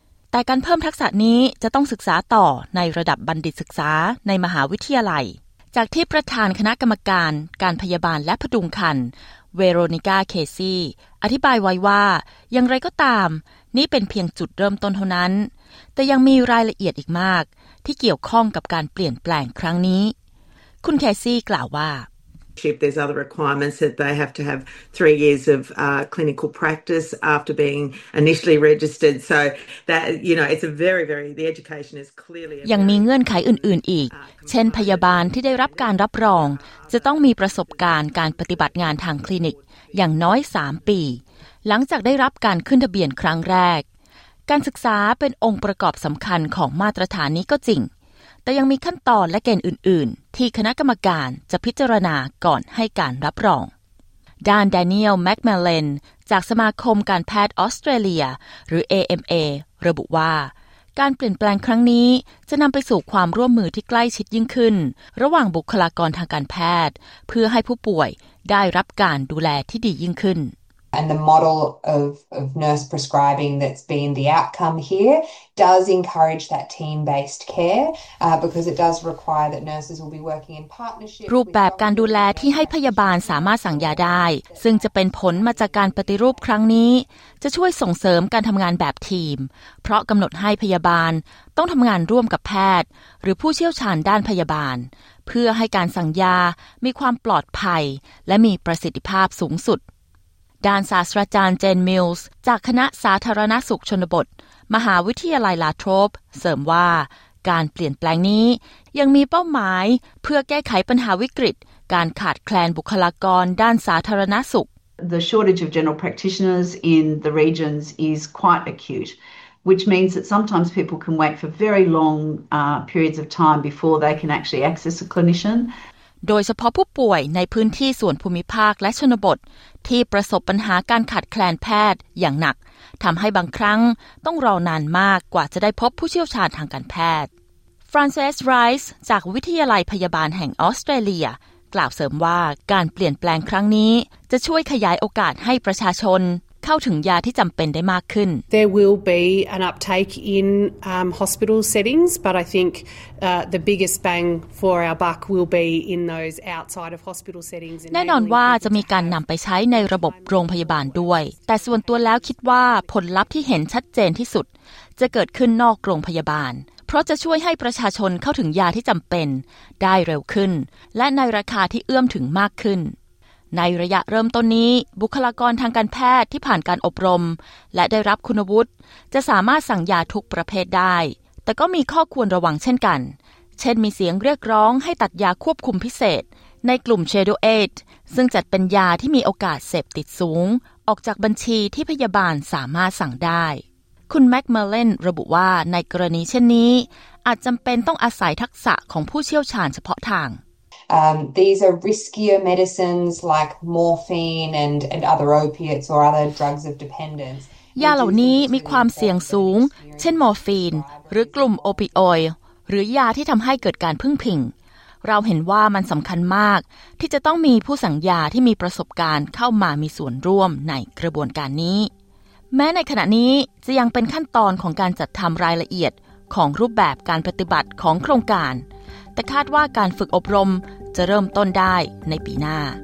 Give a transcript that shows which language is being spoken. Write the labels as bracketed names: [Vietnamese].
[Thai] แต่การเพิ่มทักษะนี้จะต้องศึกษาต่อในระดับบัณฑิตศึกษาในมหาวิทยาลัยจากที่ประธานคณะกรรมการการพยาบาลและผดุงครรภ์เวโรนิก้าเคซี่อธิบายไว้ว่าอย่างไรก็ตามนี่เป็นเพียงจุดเริ่มต้นเท่านั้นแต่ยังมีรายละเอียดอีกมากที่เกี่ยวข้องกับการเปลี่ยนแปลงครั้งนี้คุณเคซี่กล่าวว่า [English] There's other requirements that they have to have 3 years of clinical practice after being initially registered. So that you know it's a very very the education is clearly [Thai] ยังมีเงื่อนไขอื่นๆอีกเช่นพยาบาลที่ได้รับการรับรองจะต้องมีประสบการณ์การปฏิบัติงานทางคลินิกอย่างน้อย3ปีหลังจากได้รับการขึ้นทะเบียนครั้งแรกการศึกษาเป็นองค์ประกอบสำคัญของมาตรฐานนี้ก็จริงแต่ยังมีขั้นตอนและเกณฑ์อื่นๆที่คณะกรรมการจะพิจารณาก่อนให้การรับรองด้านแดเนียลแม็กเมลเลนจากสมาคมการแพทย์ออสเตรเลียหรือ AMA ระบุว่าก การเปลี่ยนแปลงครั้งนี้จะนำไปสู่ความร่วมมือที่ใกล้ชิดยิ่งขึ้นระหว่างบุคลากรทางการแพทย์เพื่อให้ผู้ป่วยได้รับการดูแลที่ดียิ่งขึ้น [English] And the model of nurse prescribing that's been the outcome here does encourage that team-based care because it does require that nurses will be working in partnership. [Thai] รูปแบบการดูแลที่ให้พยาบาลสามารถสั่งยาได้ซึ่งจะเป็นผลมาจากการปฏิรูปครั้งนี้จะช่วยส่งเสริมการทำงานแบบทีมเพราะกำหนดให้พยาบาลต้องทำงานร่วมกับแพทย์หรือผู้เชี่ยวชาญด้านพยาบาลเพื่อให้การสั่งยามีความปลอดภัยและมีประสิทธิภาพสูงสุด ด้านศาสตราจารย์เจนมิลส์จากคณะสาธารณสุขชนบทมหาวิทยาลัยลาโทรบเสริมว่าการเปลี่ยนแปลงนี้ยังมีเป้าหมายเพื่อแก้ไขปัญหาวิกฤตการขาดแคลนบุคลากรด้านสาธารณสุข [English] The shortage of general practitioners in the regions is quite acute which means that sometimes people can wait for very long periods of time before they can actually access a clinician [Thai] โดยเฉพาะผู้ป่วยในพื้นที่ส่วนภูมิภาคและชนบทที่ประสบปัญหาการขาดแคลนแพทย์อย่างหนักทำให้บางครั้งต้องรอนานมากกว่าจะได้พบผู้เชี่ยวชาญทางการแพทย์ฟรานเซสไรส์จากวิทยาลัยพยาบาลแห่งออสเตรเลียกล่าวเสริมว่าการเปลี่ยนแปลงครั้งนี้จะช่วยขยายโอกาสให้ประชาชนเข้าถึงยาที่จำเป็นได้มากขึ้น [English] There will be an uptake in hospital settings but I think the biggest bang for our buck will be in those outside of hospital settings [Thai] แน่นอนว่าจะมีการนำไปใช้ในระบบโรงพยาบาลด้วยแต่ส่วนตัวแล้วคิดว่าผลลัพธ์ที่เห็นชัดเจนที่สุดจะเกิดขึ้นนอกโรงพยาบาลเพราะจะช่วยให้ประชาชนเข้าถึงยาที่จำเป็นได้เร็วขึ้นและในราคาที่เอื้อมถึงมากขึ้น ในระยะเริ่มต้นนี้บุคลากรทางการแพทย์ที่ผ่านการอบรมและได้รับคุณวุฒิจะสามารถสั่งยาทุกประเภทได้แต่ก็มีข้อควรระวังเช่นกันเช่นมีเสียงเรียกร้องให้ตัดยาควบคุมพิเศษในกลุ่ม Shadow 8ซึ่งจัดเป็นยาที่มีโอกาสเสพติดสูงออกจากบัญชีที่พยาบาลสามารถสั่งได้คุณแม็กเมเลนระบุว่าในกรณีเช่นนี้อาจจำเป็นต้องอาศัยทักษะของผู้เชี่ยวชาญเฉพาะทาง [English] These are riskier medicines like morphine and other opiates or other drugs of dependence. [Thai] ยาเหล่านี้มีความเสี่ยงสูงเช่นมอร์ฟีนหรือกลุ่มโอปิโอยด์หรือยาที่ทำให้เกิดการพึ่งพิงเราเห็นว่ามันสำคัญมากที่จะต้องมีผู้สั่งยาที่มีประสบการณ์เข้ามามีส่วนร่วมในกระบวนการนี้แม้ในขณะนี้จะยังเป็นขั้นตอนของการจัดทำรายละเอียดของรูปแบบการปฏิบัติของโครงการแต่คาดว่าการฝึกอบรมจะเริ่มต้นได้ในปีหน้า